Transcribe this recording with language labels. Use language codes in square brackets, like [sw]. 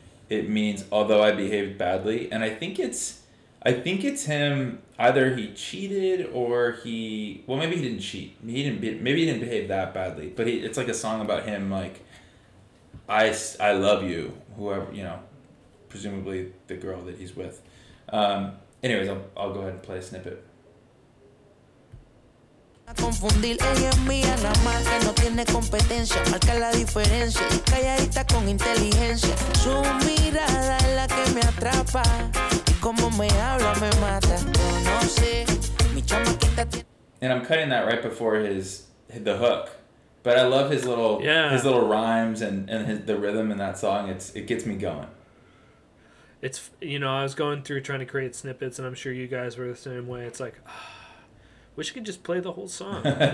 [en] It means, although I behaved badly, and I think it's him, either he cheated or maybe he didn't cheat. Maybe he didn't behave that badly, but it's like a song about him, like, I love you, whoever, you know, presumably the girl that he's with. Anyways, I'll go ahead and play a snippet. [es] Confundir, ella es mía, nada más que no tiene competencia, marca la diferencia, calladita con inteligencia. Su mirada es la que me atrapa, y como me habla me mata. No sé, mi chamaquita tiene. [en] And I'm cutting that right before the hook, but I love his little his little rhymes and the rhythm in that song. It gets me going. It's, you know, I was going through trying to create snippets, and I'm sure you guys were the same way. It's like, wish you could just play the whole song.